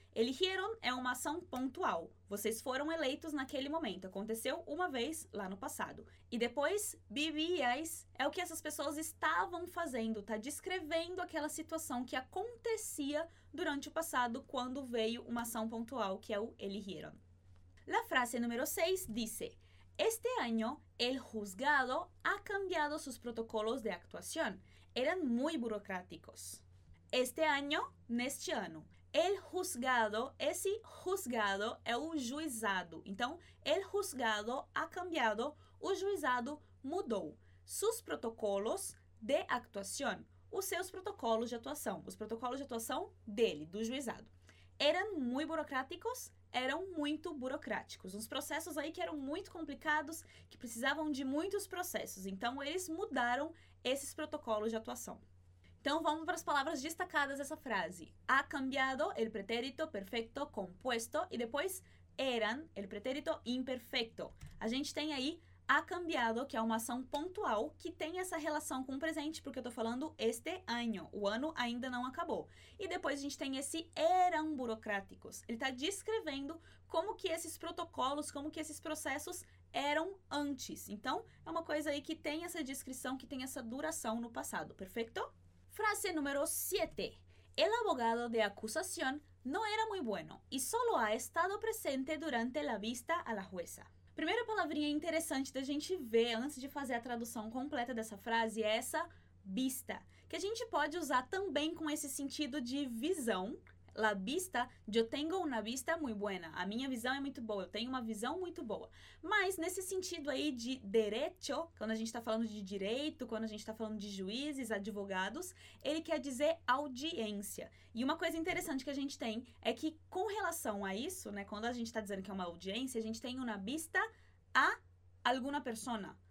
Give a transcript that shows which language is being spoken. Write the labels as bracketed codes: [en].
[pt] Eligieron é uma ação pontual. Vocês foram eleitos naquele momento. Aconteceu uma vez lá no passado. E depois, vivíais é o que essas pessoas estavam fazendo. Tá descrevendo aquela situação que acontecia durante o passado quando veio uma ação pontual, que é o eligieron. [es] La frase número 6 dice: este año el juzgado ha cambiado sus protocolos de actuación. Eran muy burocráticos. Este año, [pt] neste ano. El juzgado, esse juzgado é o juizado. Então, [es] el juzgado ha cambiado, [pt] o juizado mudou. [es] Sus protocolos de actuación, [pt] os seus protocolos de atuação. Os protocolos de atuação dele, do juizado. [es] Eran muy burocráticos. [pt] Eram muito burocráticos. Uns processos aí que eram muito complicados, que precisavam de muitos processos. Então, eles mudaram esses protocolos de atuação. Então, vamos para as palavras destacadas dessa frase. [es] Ha cambiado el pretérito perfecto compuesto. [pt] E depois, [es] eran el pretérito imperfecto. [pt] A gente tem aí [es] ha cambiado, [pt] que é uma ação pontual, que tem essa relação com o presente, porque eu estou falando este ano, o ano ainda não acabou. E depois a gente tem esse eram burocráticos. Ele está descrevendo como que esses protocolos, como que esses processos eram antes. Então, é uma coisa aí que tem essa descrição, que tem essa duração no passado, perfeito? Frase número 7. [es] El abogado de acusación no era muy bueno y solo ha estado presente durante la vista a la jueza. [pt] Primeira palavrinha interessante da gente ver antes de fazer a tradução completa dessa frase é essa vista, que a gente pode usar também com esse sentido de visão. [es] La vista, yo tengo una vista muy buena. [pt] A minha visão é muito boa, eu tenho uma visão muito boa. Mas nesse sentido aí de derecho, quando a gente está falando de direito, quando a gente está falando de juízes, advogados, ele quer dizer audiência. E uma coisa interessante que a gente tem é que com relação a isso, né, quando a gente está dizendo que é uma audiência, a gente tem [es] una vista a alguna persona.